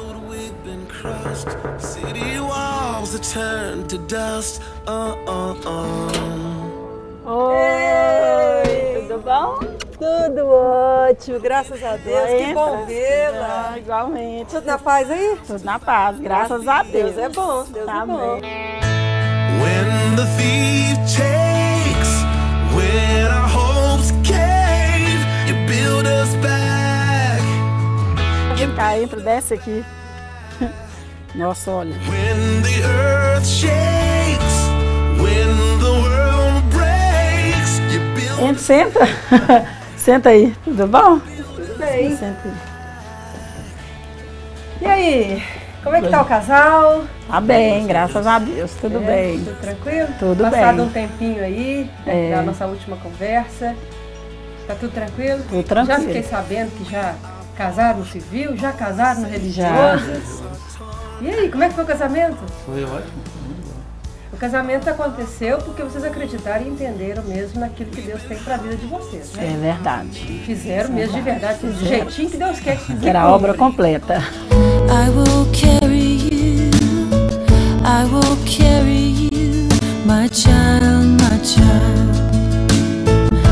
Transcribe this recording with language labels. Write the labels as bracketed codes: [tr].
[pt] Oi, tudo bom? Tudo ótimo, graças a Deus, que bom vê-la. Igualmente. Tudo na paz aí? Tudo na paz, graças a Deus. Deus é bom, Deus tá é bom. Bem. [en] When the thief takes, when our hopes cave, you build us back. [pt] Vem cá, entra, desce aqui. Nossa, olha. [en] When the earth shakes, when the world breaks, you build us back. [pt] Senta. Senta aí, tudo bom? Tudo bem. Senta aí. E aí? Como é que tá o casal? Tá bem, graças a Deus, tudo bem. Tudo tranquilo? Tudo passado bem. Passado um tempinho aí, da nossa última conversa. Tá tudo tranquilo? Tudo tranquilo. Já fiquei sabendo que já casaram no civil, já casaram no religioso. Já. E aí, como é que foi o casamento? Foi ótimo. O casamento aconteceu porque vocês acreditaram e entenderam mesmo naquilo que Deus tem pra vida de vocês, né? É verdade. Fizeram é mesmo verdade. De verdade, do jeitinho que Deus quer que fizeram. Era a obra completa. [en] I will carry you, I will carry you, my child, my child.